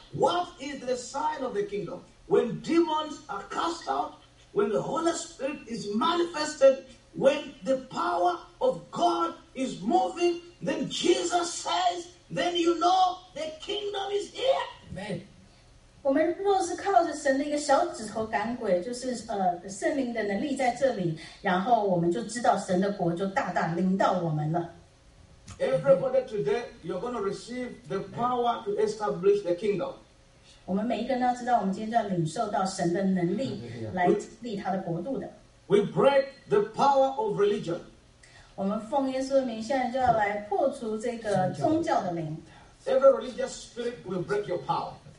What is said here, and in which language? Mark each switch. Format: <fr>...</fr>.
<en>What is the sign of the kingdom? When demons are cast out, when the Holy Spirit is manifested, when the power of God is moving, then Jesus says, then you know the kingdom is here. Amen.</en> <zh>我们若是靠着神的一个小指头赶鬼，就是圣灵的能力在这里，然后我们就知道神的国就大大临到我们了。</zh> <en>Everybody today, you're going to receive the power to establish the kingdom.</en> <zh>我们每一个人都知道，我们今天就要领受到神的能力来建立他的国度的。</zh> <en>We break the power of religion.</en> <zh>我们奉耶稣的名，现在就要来破除这个宗教的灵。</zh> <en>Every religious spirit will break your power.</en>